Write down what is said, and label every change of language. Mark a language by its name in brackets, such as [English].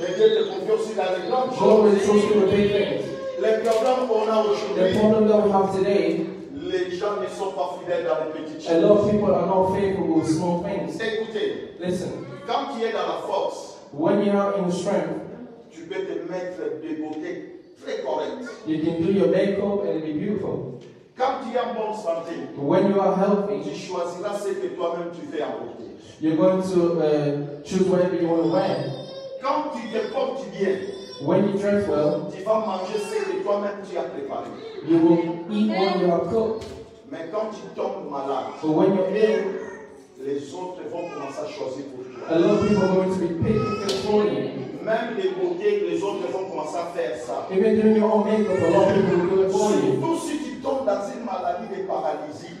[French] et Dieu te confie aussi dans les grandes choses. [English] God will trust you with big things. [French] Les problèmes qu'on a aujourd'hui, [English] the problem that we have today, [French] les gens ne sont pas fidèles dans les petites [English] choses. A lot of people are not faithful with small things. [French] Écoutez, [English] listen. [French] Quand tu es dans la force, [English] when you are in strength, [French] tu peux te mettre de beauté très correct. [English] You can do your makeup and be beautiful. [French] Quand tu es en bonne santé, [English] when you are healthy, [French] tu choisiras ce que toi-même tu fais à côté. [English] You're going to choose whatever you want to wear. [French] Quand tu te portes bien, [English] when you dress well, [French] tu vas manger ce que toi-même tu as préparé. [English] You will eat what you have cooked. [French] Mais quand tu tombes malade, [English] so when you're ill, [French] les autres vont commencer à choisir pour toi. [English] A lot of people are going to be picking for you. [French] Même les beautés, les autres vont commencer à faire ça. [English] Even doing your own makeup, a lot of people will do it for you. [French] Surtout si tu tombes dans une maladie de paralysie.